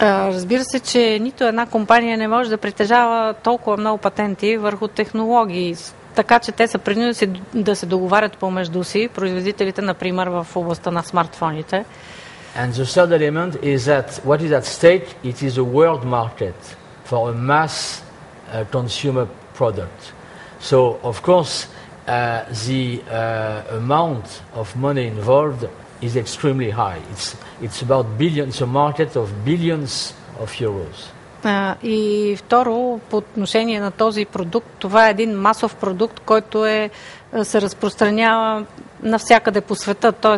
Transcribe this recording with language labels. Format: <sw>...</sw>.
<bg>Разбира се, че нито една компания не може да притежава толкова много патенти върху технологии. Така че те са принудени да се договарят помежду си, производителите, например, в областта на смартфоните.</bg> <en>And the third element is that what is at stake, it is a world market for a mass consumer product. So, of course, the amount of money involved is extremely high. It's about billions, a market of billions of euros.</en> <bg>И второ, по отношение на този продукт, това е един масов продукт, който се разпространява навсякъде по света. Т.е.</bg>